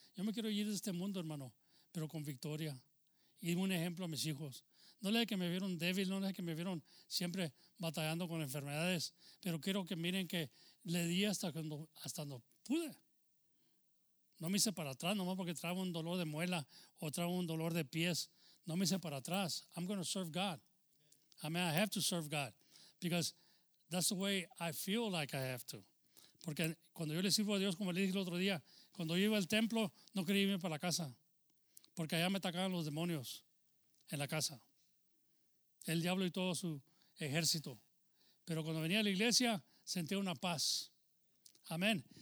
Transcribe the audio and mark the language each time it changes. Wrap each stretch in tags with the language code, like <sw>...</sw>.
<es>Yo me quiero ir de este mundo, hermano, pero con victoria. Y un ejemplo a mis hijos. No le que me vieron débil, no le que me vieron siempre batallando con enfermedades, pero quiero que miren que le di hasta cuando pude. No me hice para atrás, nomás porque traigo un dolor de muela o traigo un dolor de pies. No me hice para atrás.</es> <en>I'm going to serve God. I mean, I have to serve God because that's the way I feel like I have to.</en> <es>Porque cuando yo le sirvo a Dios, como le dije el otro día, cuando yo iba al templo, no quería irme para la casa porque allá me atacaban los demonios en la casa. El diablo y todo su ejército. Pero cuando venía a la iglesia, sentía una paz. Amén.</es>